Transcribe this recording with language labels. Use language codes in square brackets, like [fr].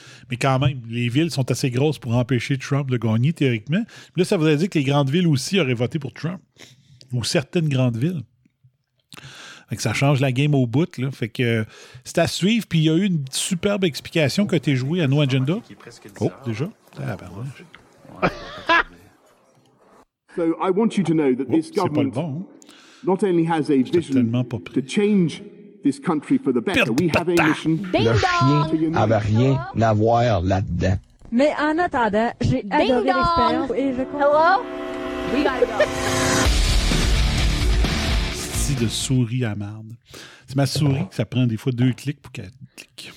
[fr] Mais quand même, les villes sont assez grosses pour empêcher Trump de gagner, théoriquement. Mais là, ça voudrait dire que les grandes villes aussi auraient voté pour Trump. Ou certaines grandes villes. Fait que ça change la game au bout. Là. Fait que c'est à suivre. Puis il y a eu une superbe explication qui a été jouée à No Agenda. Oh, déjà? Ah, ben ouais. [en] So I want you to know that this government [fr] bon, hein? [en] Not only has a vision to change this country for the better. We have a mission. [fr] Le chien n'avait rien à voir là-dedans. Mais en attendant, j'ai Ding adoré dong. L'expérience. Et je... [en] Hello? We gotta go. [fr] C'est de souris à marde. C'est ma souris. Ça prend des fois deux clics pour qu'elle clique.